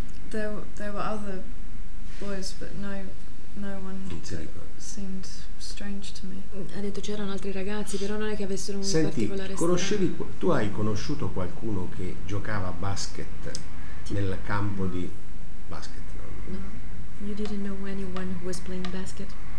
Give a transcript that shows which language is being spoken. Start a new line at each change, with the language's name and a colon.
English: There were other boys, but no one seemed strange to me.
Italian: Ha detto c'erano altri ragazzi, però non è che avessero un particolare strano. Senti, tu hai conosciuto qualcuno che giocava a basket nel campo di basket?
English: No. You didn't know anyone who was playing basket?